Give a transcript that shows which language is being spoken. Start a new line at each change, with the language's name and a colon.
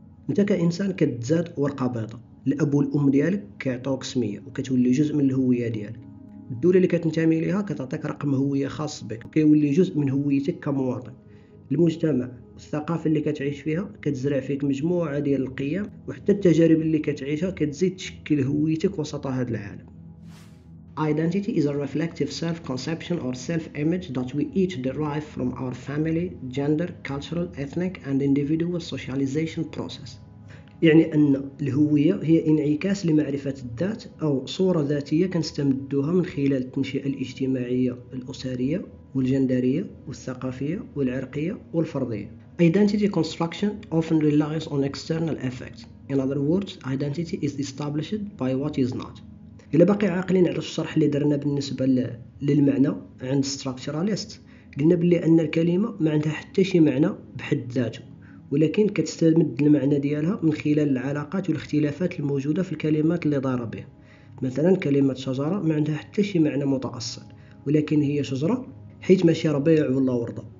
Arabic: انت كإنسان كتزاد ورقة بيضاء، الأب والأم ديالك كيعطوك سمية وكتولي جزء من الهوية ديالك، الدولة اللي كتنتمي لها كتعطيك رقم هوية خاص بك وكيولي جزء من هويتك كمواطن، المجتمع الثقافة اللي كتعيش فيها كتزرع فيك مجموعة ديال القيم، وحتى التجارب اللي كتعيشها كتزيد تشكل هويتك وسط هذا العالم.
English: Identity is a reflective self-conception or self-image that we each derive from our family, gender, cultural, ethnic and individual socialization process.
Arabic: يعني أن الهوية هي انعكاس لمعرفة الذات أو صورة ذاتية كنستمدوها من خلال التنشئة الاجتماعية الأسرية والجندرية والثقافية والعرقية والفردية.
English: Identity construction often relies on external effects. In other words, identity is established by what is not.
Arabic: إلا بقي عاقلين على الشرح اللي درنا بالنسبة للمعنى عند structuralist، قلنا بلي أن الكلمة ما عندها حتى شي معنى بحد ذاته، ولكن كتستمد المعنى ديالها من خلال العلاقات والاختلافات الموجودة في الكلمات اللي دار بها. مثلا كلمة شجرة ما عندها حتى شي معنى متأصل، ولكن هي شجرة حيت ماشي ربيع والله ورضى.